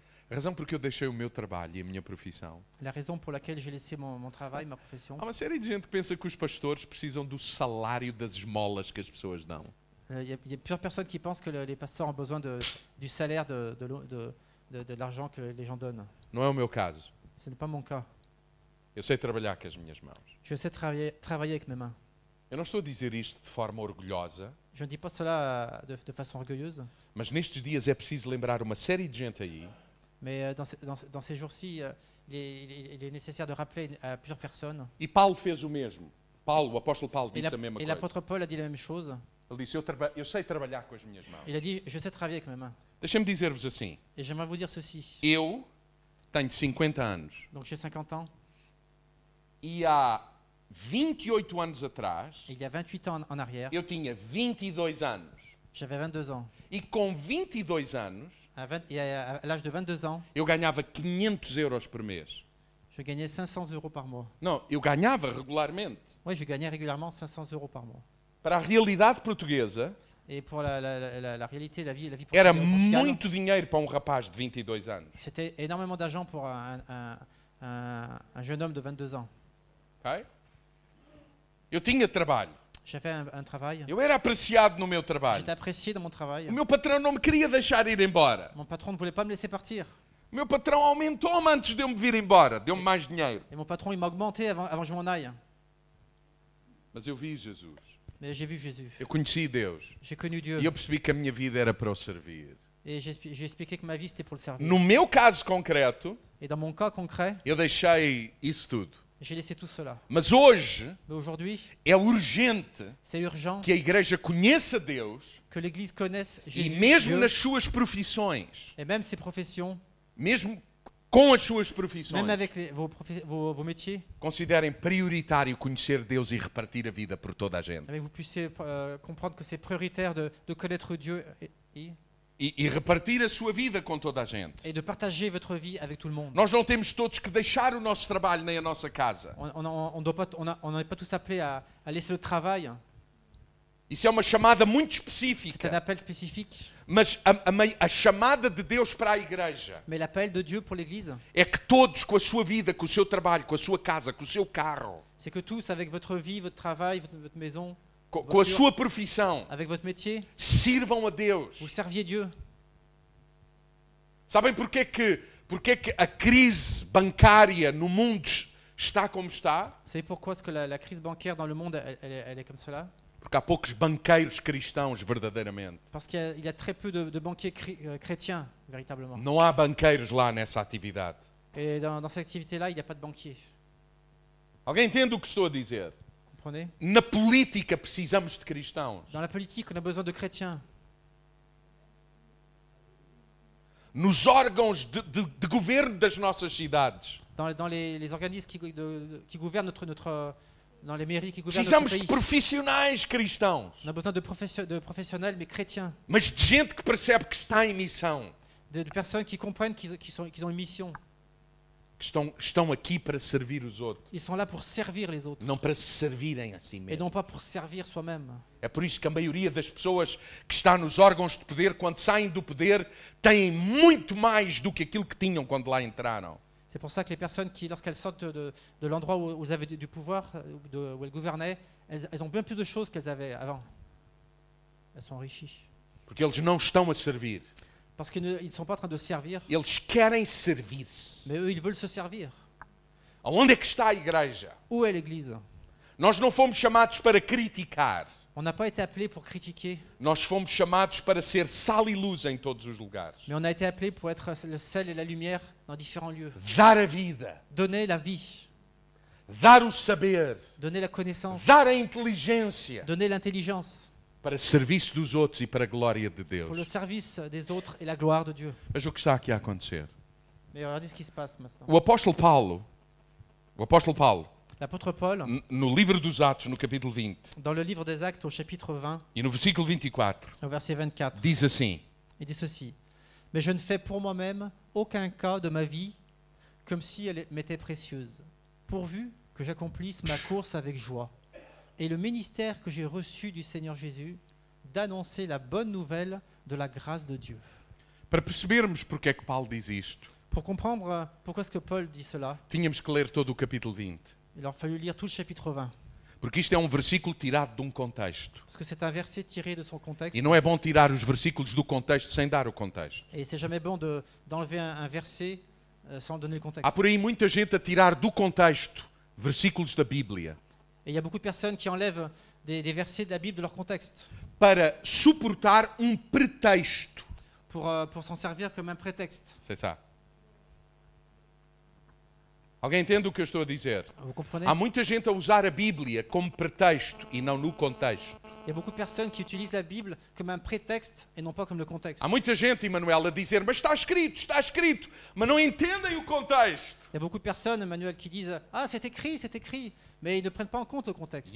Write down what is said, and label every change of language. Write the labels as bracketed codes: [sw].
[pt] A razão porque eu deixei o meu trabalho e a minha profissão. [fr] La raison pour laquelle j'ai laissé mon travail, ma profession. [pt] Há uma série de gente que pensa que os pastores precisam do salário das esmolas que as pessoas dão. [fr] Il y a plusieurs personnes qui pensent que les pasteurs ont besoin du salaire de l'argent que les gens donnent. [pt] Não é o meu caso. [fr] Ce n'est pas mon cas. [pt] Eu sei trabalhar com as minhas mãos. [fr] Je sais travailler avec mes mains. [pt] Eu não estou a dizer isto de forma orgulhosa. [fr] Je ne dis pas cela de façon orgueilleuse. [pt] Mas nestes dias é preciso lembrar uma série de gente aí. [fr] Mais dans ces jours-ci, il est nécessaire de rappeler à plusieurs personnes. [pt] E Paulo fez o mesmo. Paulo, o apóstolo Paulo, disse a mesma coisa. [fr] Et l'apôtre Paul a dit la même chose. [pt] Ele disse, eu sei trabalhar com as minhas mãos. [fr] Il a dit, je sais travailler avec mes mains. [pt] Deixem-me dizer-vos assim. [fr] Et j'aimerais vous dire ceci. [pt] Eu tenho 50 anos. [fr] Donc j'ai 50 ans. [pt] E há 28 anos atrás. [fr] Il y a 28 ans en arrière. [pt] Eu tinha 22 anos. [fr] J'avais 22 ans. [pt] E com 22 anos. [fr] À l'âge de 22 ans. [pt] Eu ganhava 500 euros por mês. [fr] Je gagnais 500 euros par mois. [pt] Não, eu ganhava regularmente. [fr] Oui, je gagnais régulièrement 500 euros par mois. [pt] Para a realidade portuguesa. [fr] Et pour la réalité, la vie portugaise. [pt] Era muito dinheiro para um rapaz de 22 anos. [fr] C'était énormément d'argent pour un jeune homme de 22 ans. [pt] OK? Eu tinha trabalho. [fr] J'avais un travail. [pt] Eu era apreciado no meu trabalho. [fr] J'étais apprécié dans mon travail. [pt] O meu patrão não me queria deixar ir embora. [fr] Mon patron ne voulait pas me laisser partir. [pt] O meu patrão aumentou-me antes de eu me vir embora, deu-me mais dinheiro. [fr] Et mon patron il m'a augmenté avant que je m'en aille. [pt] Mas eu vi Jesus. [fr] Mais j'ai vu Jésus. [pt] Eu conheci Deus. [fr] J'ai connu Dieu. [pt] E eu percebi que a minha vida era para o servir. [fr] Et j'ai expliqué que ma vie c'était pour le servir. [pt] No meu caso concreto. [fr] Et dans mon cas concret. [pt] Eu deixei isso tudo. [fr] J'ai laissé tout cela. [pt] Mas hoje. [fr] Mais aujourd'hui. [pt] É urgente. [fr] C'est urgent. [pt] Que a igreja conheça Deus. [fr] Que l'église connaisse Jésus. [pt] E mesmo nas suas profissões. [fr] Et même ses professions. [pt] Mesmo com as suas profissões. [fr] Même avec vos métiers. [pt] Considerem prioritário conhecer Deus e repartir a vida por toda a gente. [fr] Vous puissiez comprendre que c'est prioritaire de connaître Dieu [pt] e repartir a sua vida com toda a gente. [fr] Et de partager votre vie avec tout le monde. [pt] Nós não temos todos que deixar o nosso trabalho nem a nossa casa. [fr] On n'est pas tous appelés à laisser le travail. [pt] Isso é uma chamada muito específica. [fr] C'est un appel spécifique. [pt] Mas a chamada de Deus para a igreja. [fr] Mais l'appel de Dieu pour l'église. [pt] É que todos com a sua vida, com o seu trabalho, com a sua casa, com o seu carro. [fr] C'est que tous avec votre vie, votre travail, votre maison. [pt] Com a sua profissão. [fr] Avec votre métier. [pt] Sirvam a Deus. [fr] Vous serviez Dieu. [pt] Sabem porque é que a crise bancária no mundo está como está? [fr] Sabe pourquoi est-ce que la crise bancaire dans le monde elle est comme cela? [pt] Porque há poucos banqueiros cristãos verdadeiramente. [fr] Parce qu'il y a très peu de banquiers chrétiens véritablement. [pt] Não há banqueiros lá nessa atividade. [fr] Et dans cette activité là, il n'y a pas de banquiers. [pt] Alguém entende o que estou a dizer? [fr] Comprenez? [pt] Na política precisamos de cristãos. [fr] Dans la politique, on a besoin de chrétiens. [pt] Nos órgãos de governo das nossas cidades. [fr] Dans les organismes qui gouvernent notre dans les mairies qui gouvernent notre pays. [pt] Precisamos de profissionais cristãos. [fr] On a besoin de professionnels mais chrétiens. [pt] Mas de gente que percebe que está em missão. [fr] De personnes qui comprennent qu'ils ont une mission. [pt] Que estão aqui para servir os outros. [fr] Ils sont là pour servir les autres. [pt] Não para se servirem a si mesmo. [fr] Et non pas pour servir soi-même. [pt] É por isso que a maioria das pessoas que está nos órgãos de poder, quando saem do poder, têm muito mais do que aquilo que tinham quando lá entraram. [fr] C'est pour ça que les personnes qui, lorsqu'elles sortent de l'endroit où elles avaient du pouvoir, où elles gouvernaient, elles ont bien plus de choses qu'elles avaient avant. Elles sont enrichies. [pt] Porque eles não estão a servir. [fr] Parce qu'ils ne sont pas en train de servir. [pt] Eles querem servir-se. [fr] Mais eux, ils veulent se servir. [pt] Onde é que está a igreja? [fr] Où est l'église? [pt] Nós não fomos chamados para criticar. [fr] On n'a pas été appelé pour critiquer. [pt] Nós fomos chamados para ser sal e luz em todos os lugares. [fr] Mais on a été appelé pour être le sel et la lumière dans différents lieux. [pt] Dar a vida. [fr] Donner la vie. [pt] Dar o saber. [fr] Donner la connaissance. [pt] Dar a inteligência. [fr] Donner l'intelligence. [pt] Para serviço dos outros e para a glória de Deus. [fr] Pour le service des autres et la gloire de Dieu. [pt] Mas o que está aqui a acontecer? [fr] Mais regardez ce qui se passe maintenant. [pt] O apóstolo Paulo. [fr] L'apôtre Paul, [pt] no livro dos Atos, no capítulo 20, [fr] dans le livre des Actes, au chapitre 20, [pt] et no versículo 24, [fr] au verset 24, [pt] diz assim, [fr] il dit ceci, « Mais je ne fais pour moi-même aucun cas de ma vie comme si elle m'était précieuse, pourvu que j'accomplisse ma course avec joie, et le ministère que j'ai reçu du Seigneur Jésus d'annoncer la bonne nouvelle de la grâce de Dieu. » [pt] Para percebermos porque é que Paulo diz isto, [fr] pour comprendre pourquoi est-ce que Paul dit cela, [pt] tínhamos que ler todo o capítulo 20. [fr] Il a fallu lire tout le chapitre 20. [pt] Porque isto é um versículo tirado de um contexto. [fr] Parce que c'est un verset tiré de son contexte. [pt] E não é bom tirar os versículos do contexto sem dar o contexto. [fr] Et c'est jamais bon d'enlever un verset sans donner le contexte. [pt] Há por aí muita gente a tirar do contexto versículos da Bíblia. [fr] Et il y a beaucoup de personnes qui enlèvent des versets de la Bible de leur contexte. [pt] Para suportar um pretexto. [fr] Pour s'en servir comme un prétexte. C'est ça. [pt] Alguém entende o que eu estou a dizer? Há muita gente a usar a Bíblia como pretexto e não no contexto. [fr] Há beaucoup de personnes qui utilisent la Bible comme un prétexte et non pas comme le contexte. [pt] Há muita gente, Emmanuel, a dizer, mas está escrito, mas não entendem o contexto. [fr] Há beaucoup de personnes, Emmanuel, qui disent, ah, c'est écrit, mais ils ne prennent pas en compte le contexte.